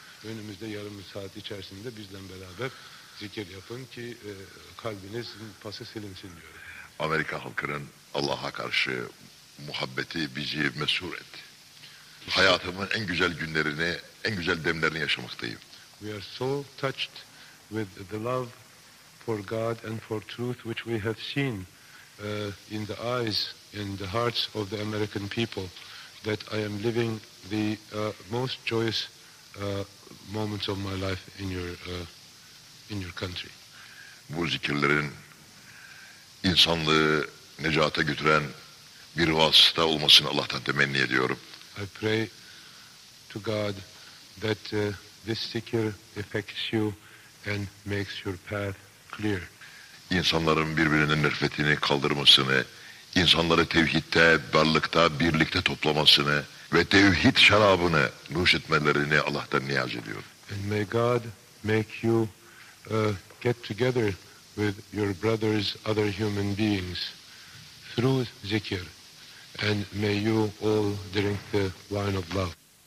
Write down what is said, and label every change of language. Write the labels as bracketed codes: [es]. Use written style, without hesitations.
[tr] Önümüzde yarım saat içerisinde bizle beraber zikir yapın ki kalbiniz pası silinsin diyor. Amerika halkının Allah'a karşı muhabbeti bizi mesur et. İşte, hayatımın en güzel günlerini, en güzel demlerini yaşamaktayım. [en] We are so touched with the love for God and for truth which we have seen in the eyes, in the hearts of the American people, that I am living the most joyous moments of my life in your country. [tr] Bu zikirlerin insanlığı necata götüren bir vasıta olmasını Allah'tan temenni ediyorum. [en] I pray to God that this zikir affects you and makes your path clear. [tr] İnsanların birbirinin nefretini kaldırmasını, insanları tevhitte, varlıkta, birlikte toplamasını ve tevhid şarabını nuş etmelerini Allah'tan niyaz ediyorum. [en] And may God make you get together with your brothers, other human beings through zikir. And may you all drink the wine of love.